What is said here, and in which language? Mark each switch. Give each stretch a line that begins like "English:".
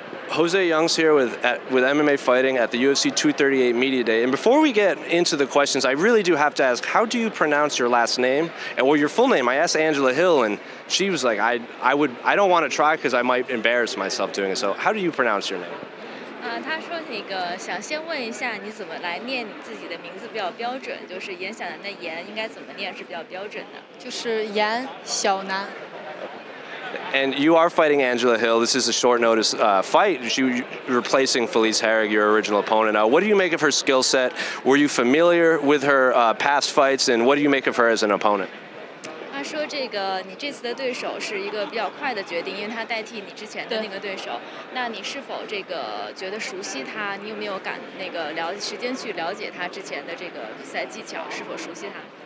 English: Jose Young's here with MMA Fighting at the UFC 238 Media Day. And before we get into the questions, I really do have to ask, how do you pronounce your last name? Or your full name? I asked Angela Hill, and she was like, I don't want to try because I might embarrass myself doing it. So how do you pronounce your name?
Chinese: 他说那个想先问一下你怎么来念你自己的名字比较标准，就是严想的那严应该怎么念是比较标准的，就是严小南。
English: And you are fighting Angela Hill. This is a short notice fight. She's replacing Felice Herrig, your original opponent. What do you make of her skill set? Were you familiar with her past fights? And what do you make of her as an opponent?
Chinese: 他说这个你这次的对手是一个比较快的决定，因为他代替你之前的那个对手。那你是否这个觉得熟悉他？你有没有感那个了时间去了解他之前的这个比赛技巧？是否熟悉他？